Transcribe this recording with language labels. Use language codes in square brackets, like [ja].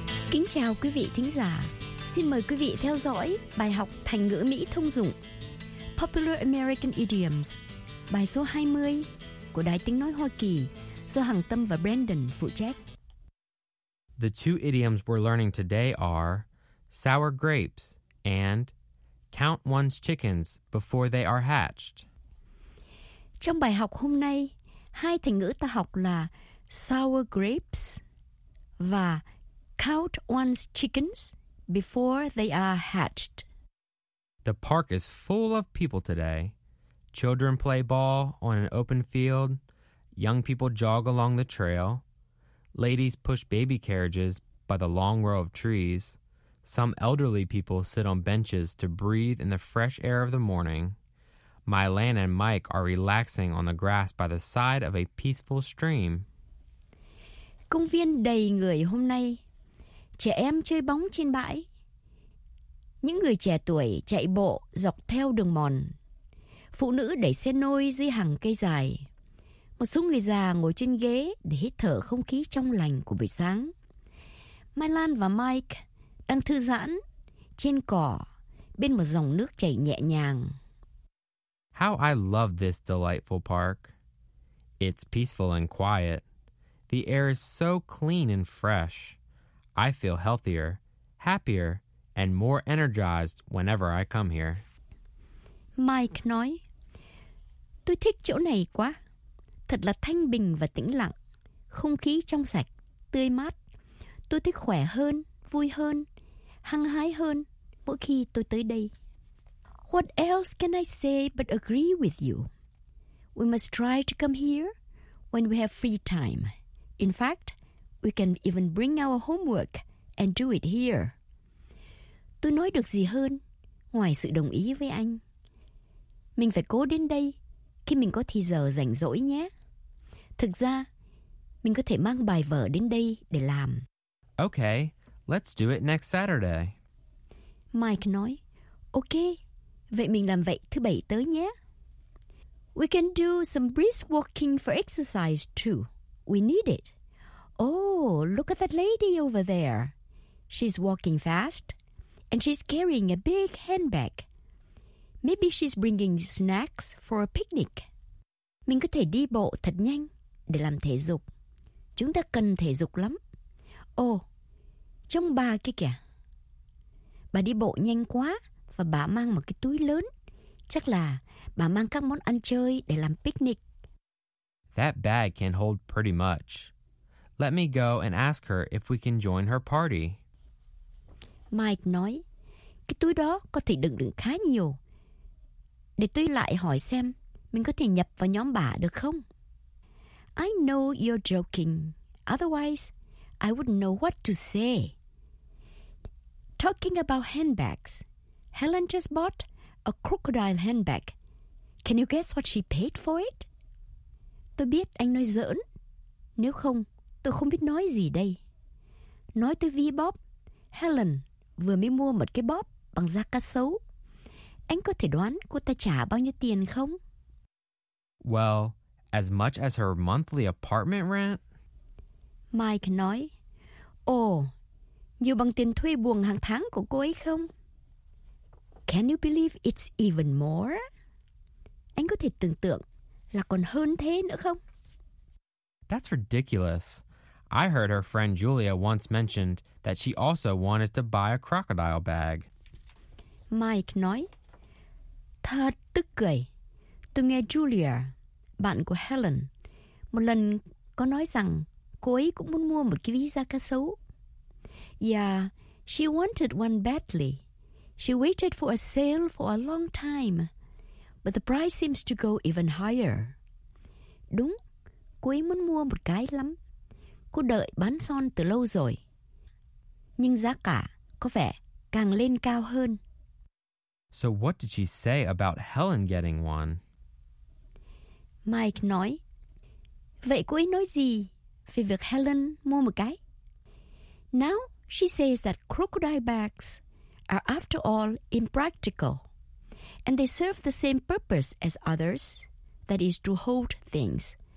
[vi] Kính chào quý vị thính giả. Xin mời quý vị theo dõi bài học thành ngữ Mỹ thông dụng [en] Popular American Idioms, [vi] bài số 20 của Đài Tiếng Nói Hoa Kỳ do Hằng Tâm và Brandon phụ trách. [en] The two idioms we're learning today are sour grapes and count one's chickens before they are hatched. [vi] Trong bài học hôm nay, hai thành ngữ ta học là sour grapes và [en] count one's chickens before they are hatched. The park is full of people today. Children play ball on an open field. Young people jog along the trail. Ladies push baby carriages by the long row of trees. Some elderly people sit on benches to breathe in the fresh air of the morning. Mylan and Mike are relaxing on the grass by the side of a peaceful stream. [vi] Công viên đầy người hôm nay. Trẻ em chơi bóng trên bãi. Những người trẻ tuổi chạy bộ dọc theo đường mòn. Phụ nữ đẩy xe nôi dưới hàng cây dài. Một số người già ngồi trên ghế để hít thở không khí trong lành của buổi sáng. Mylan và Mike đang thư giãn trên cỏ bên một dòng nước chảy nhẹ nhàng. [en] How I love this delightful park. It's peaceful and quiet. The air is so clean and fresh. I feel healthier, happier, and more energized whenever I come here. [vi] Mike nói, tôi thích chỗ này quá. Thật là thanh bình và tĩnh lặng. Không khí trong sạch, tươi mát. Tôi thích khỏe hơn, vui hơn, hăng hái hơn mỗi khi tôi tới đây. [en] What else can I say but agree with you? We must try to come here when we have free time. In fact, we can even bring our homework and do it here. [vi] Tôi nói được gì hơn ngoài sự đồng ý với anh? Mình phải cố đến đây khi mình có thì giờ rảnh rỗi nhé. Thực ra, mình có thể mang bài vở đến đây để làm. [en] Okay, let's do it next Saturday. [vi] Mike nói, okay, vậy mình làm vậy thứ bảy tới nhé. [en] We can do some brisk walking for exercise too. We need it. Oh, look at that lady over there. She's walking fast and she's carrying a big handbag. Maybe she's bringing snacks for a picnic. [vi] Mình có thể đi bộ thật nhanh để làm thể dục. chúng ta cần thể dục lắm. Ồ, trông bà kia kìa. Bà đi bộ nhanh quá và bà mang một cái túi lớn. Chắc là bà mang các món ăn chơi để làm picnic. [en] That bag can hold pretty much. Let me go and ask her if we can join her party. [vi] Mike nói, cái túi đó có thể đựng được khá nhiều. Để tôi lại hỏi xem mình có thể nhập vào nhóm bà được không? [en] I know you're joking. Otherwise, I wouldn't know what to say. Talking about handbags, Helen just bought a crocodile handbag. Can you guess what she paid for it? [vi] Tôi biết anh nói giỡn. Nếu không, tôi không biết nói gì đây. Nói tới Vi Bob, Helen vừa mới mua một cái bóp bằng da cá sấu. Anh có thể đoán cô ta trả bao nhiêu tiền không? [en] Well, as much as her monthly apartment rent. [vi] Mike nói, ồ, nhiều bằng tiền thuê buồng hàng tháng của cô ấy không? [en] Can you believe it's even more? [vi] Anh có thể tưởng tượng là còn hơn thế nữa không? [en] That's ridiculous. I heard her friend Julia once mentioned that she also wanted to buy a crocodile bag. [vi] Mike nói, thật tức cười. Tôi nghe Julia, bạn của Helen, một lần có nói rằng cô ấy cũng muốn mua một cái ví da cá sấu. [en] Yeah, she wanted one badly. She waited for a sale for a long time. But the price seems to go even higher. [vi] Đúng, cô ấy muốn mua một cái lắm. Cô đợi bán son từ lâu rồi. Nhưng giá cả có vẻ càng lên cao hơn. [en] So what did she say about Helen getting one? [vi] Mike nói, vậy cô ấy nói gì về việc Helen mua một cái? [en] Now she says that crocodile bags are after all impractical. And they serve the same purpose as others, that is to hold things.